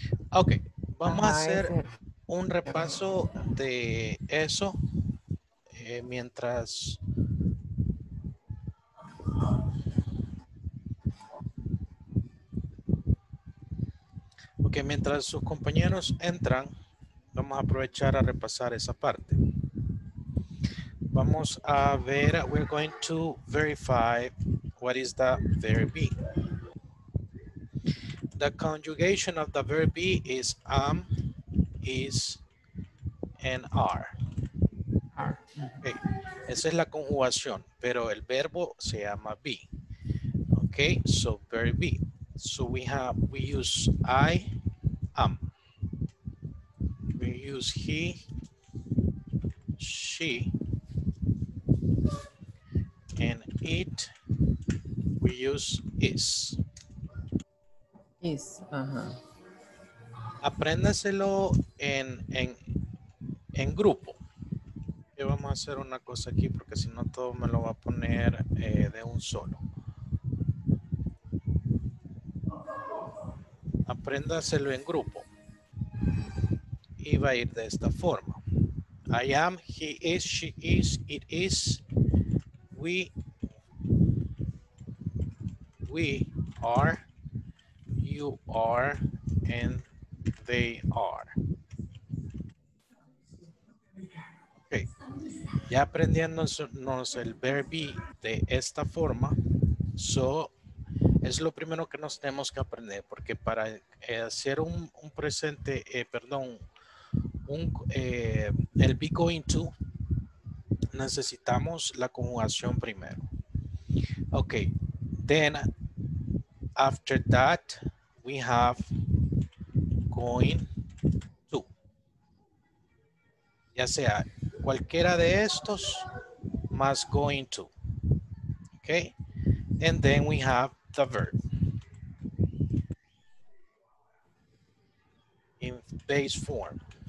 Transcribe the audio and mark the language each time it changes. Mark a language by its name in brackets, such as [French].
[Spanish] Okay, vamos a hacer un repaso de eso mientras. Okay, mientras sus compañeros entran. Vamos a aprovechar a repasar esa parte. Vamos a ver, [English] we're going to verify what is the verb be. The conjugation of the verb be is am, is, and are. Okay. [Spanish] Esa es la conjugación, pero el verbo se llama be. [English] Okay, so verb be. So we use I, am. We use he, she, and it, we use is. Is, ajá. [Spanish] Apréndaselo en grupo. Yo vamos a hacer una cosa aquí porque si no todo me lo va a poner de un solo. Apréndaselo en grupo. Y va a ir de esta forma. [English] I am, he is, she is, it is, we are, you are, and they are. Okay. [Spanish] Ya aprendiéndonos el verb be de esta forma, so es lo primero que nos tenemos que aprender, porque para hacer un presente, perdón, el be going to, necesitamos la conjugación primero. [English] Okay, then after that we have going to. [Spanish] Ya sea cualquiera de estos más going to. [English] Okay, and then we have the verb. In base form.